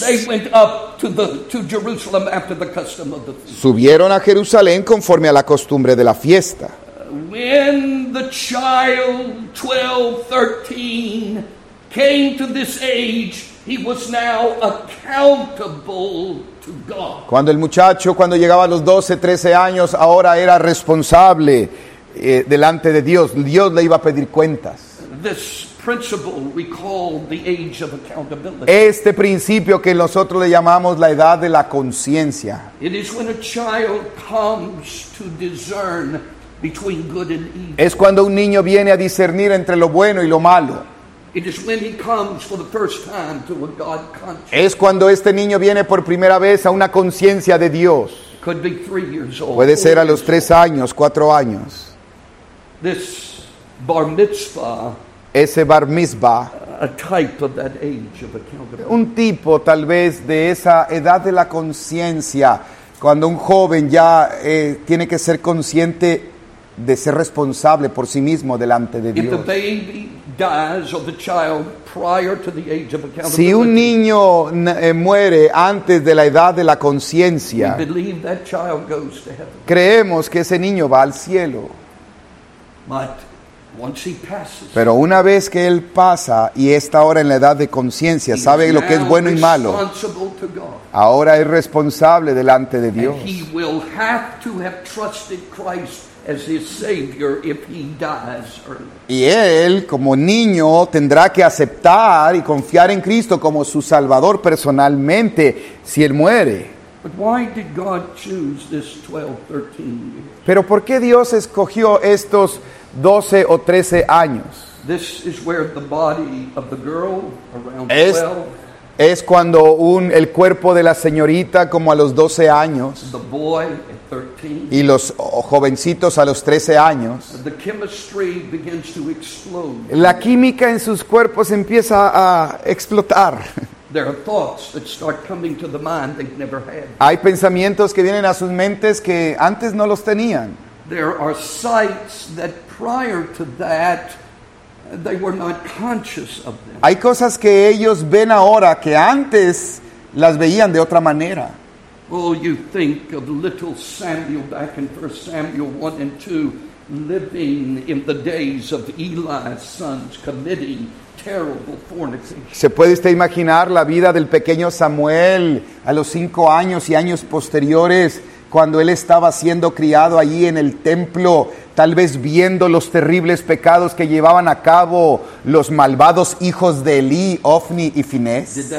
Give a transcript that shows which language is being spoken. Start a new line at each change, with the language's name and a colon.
English: they went up to Jerusalem after the custom of the feast.
Spanish: Subieron a Jerusalén conforme a la costumbre de la fiesta.
English: When the child 12, 13 came to this age, he was now accountable to God.
Spanish: Cuando el muchacho, cuando llegaba a los 12, 13 años, ahora era responsable delante de Dios. Dios le iba a pedir cuentas.
English: This principle we call the age of accountability.
Spanish: Este principio que nosotros le llamamos la edad de la conciencia.
English: It is when a child comes to discern between good and evil.
Spanish: Es cuando un niño viene a discernir entre lo bueno y lo malo.
English: It is when he comes for the first time to a God conscience.
Spanish: Es cuando este niño viene por primera vez a una conciencia de Dios.
English: Could be 3 years old.
Spanish: Puede ser a los 3 años, 4 años.
English: This bar mitzvah.
Spanish: Ese bar mitzvah.
English: A type of that age of accountability.
Spanish: Un tipo, tal vez, de esa edad de la conciencia, cuando un joven ya tiene que ser consciente de ser responsable por sí mismo delante de Dios.
English: If the baby dies of the child prior to the age of accountability.
Spanish: Si un niño muere antes de la edad de la conciencia,
English: we believe that child goes to heaven.
Spanish: Creemos que ese niño va al cielo.
English: But once he passes,
Spanish: pero una vez que él pasa y está ahora en la edad de conciencia, sabe lo que es bueno y malo. Ahora es responsable delante de Dios.
English: And he will have to have trusted Christ as his savior if he dies early.
Spanish: Y él, como niño, tendrá que aceptar y confiar en Cristo como su salvador personalmente si él muere.
English: But why did God choose this 12, 13 years?
Spanish: Pero ¿por qué Dios escogió estos 12 o 13 años?
English: This is where the body of the girl around 12.
Spanish: Es cuando el cuerpo de la señorita como a los 12 años.
English: The boy at 13.
Spanish: Y los jovencitos a los 13 años.
English: The chemistry begins to explode.
Spanish: La química en sus cuerpos empieza a explotar.
English: There are thoughts that start coming to the mind they've never had.
Spanish: Hay pensamientos que vienen a sus mentes que antes no los tenían.
English: There are sights that prior to that they were not conscious of them.
Spanish: Hay cosas que ellos ven ahora que antes las veían de otra manera.
English: Oh, you think of little Samuel back in 1 Samuel 1 and 2 living in the days of Eli's sons committing terrible fornication.
Spanish: ¿Se puede usted imaginar la vida del pequeño Samuel a los 5 años y años posteriores cuando él estaba siendo criado allí en el templo, tal vez viendo los terribles pecados que llevaban a cabo los malvados hijos de Elí, Ofni y Finés?